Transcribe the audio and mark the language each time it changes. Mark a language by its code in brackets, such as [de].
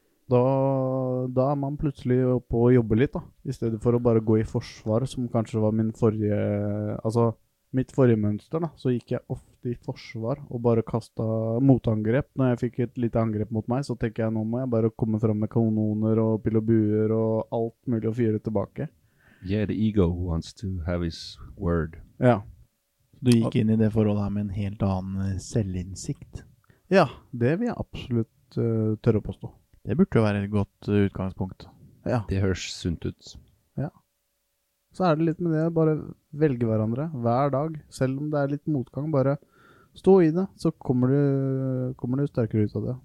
[no] Da er man plutselig oppe og jobber litt da, i stedet for å bare gå i forsvar, som kanskje var min forrige... Altså, mitt forrige mønster da, så gikk jeg off i forsvar og bare kastet motangrep. Når jeg fikk et lite angrep mot meg, så tenker jeg, nå må jeg bare komme frem med kanoner og pil og buer og alt mulig å fyre tilbake. [en] Yeah, the ego wants to have his word. [no] Ja. Du gikk inn i det forholdet her med en helt annen selvinsikt. Ja, det vil jeg absolutt tørre påstå. Det burde jo være et godt utgangspunkt. Ja. Det høres sunt ut. Så er det litt med det, bare velge hverandre hver dag, selv om det er litt motgang, bare stå i det, så kommer du sterkere ut av det.